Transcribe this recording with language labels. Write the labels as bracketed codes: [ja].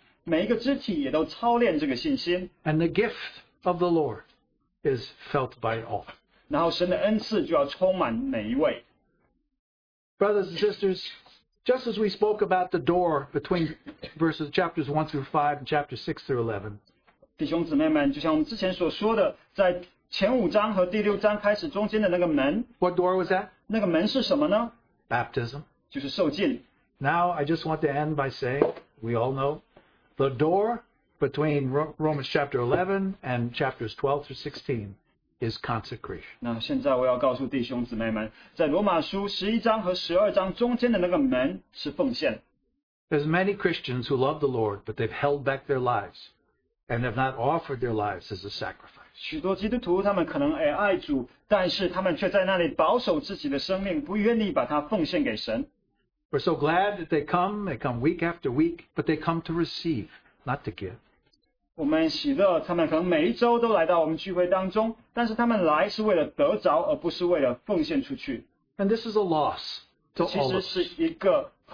[en] And the gift of the Lord is felt by all. Brothers and sisters, just as we spoke about the door between verses chapters 1 through 5 and chapters 6 through 11. [zh] 弟兄姊妹们,就像我们之前所说的, 在前五章和第六章开始中间的那个门, [en] what door was that? [zh] 那个门是什么呢? [en] Baptism. [zh] 就是受浸. [en] Now, I just want to end by saying, we all know, the door between Romans chapter 11 and chapters 12 through 16 is consecration. [zh] 那现在我要告诉弟兄姊妹们, 在罗马书11章和12章中间的那个门是奉献。 [en] There's many Christians who love the Lord, but they've held back their lives and have not offered their lives as a sacrifice. [zh] 许多基督徒他们可能爱主, 但是他们却在那里保守自己的生命, 不愿意把它奉献给神。 [en] We're so glad that they come week after week, but they come to receive, not to give. [zh] 我们喜乐,他们可能每一周都来到我们聚会当中, 但是他们来是为了得着,而不是为了奉献出去。 [en] And this is a loss to all of us.